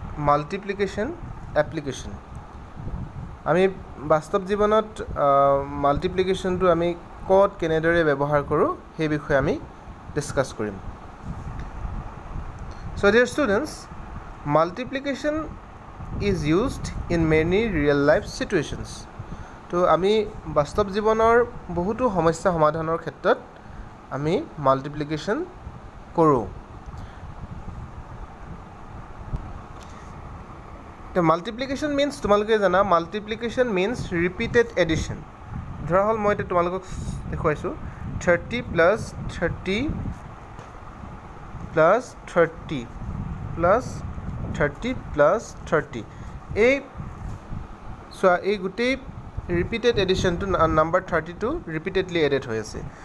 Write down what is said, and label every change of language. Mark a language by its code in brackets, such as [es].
[en] Multiplication application. [as] আমি বাস্তব জীবনত মাল্টিপ্লিকেশনটো আমি ক'ত কেনেদৰে ব্যৱহাৰ কৰোঁ সেই বিষয়ে আমি ডিছকাছ কৰিম. [en] So dear students, multiplication is used in many real life situations. [as] To আমি বাস্তব জীৱনৰ বহুতো সমস্যা সমাধানৰ ক্ষেত্ৰত আমি মাল্টিপ্লিকেশ্যন কৰোঁ. তো মাল্টিপ্লিকেশ্যন মিনছ, তোমালোকে জানা, [en] Multiplication means repeated addition. [as] ধৰা হ'ল, মই এতিয়া তোমালোকক দেখুৱাইছোঁ, [en] thirty plus thirty plus thirty [as] plus thirty plus thirty. এই চোৱা, এই গোটেই repeated এডিশ্যনটো number thirty two repeatedly aided হৈ আছে.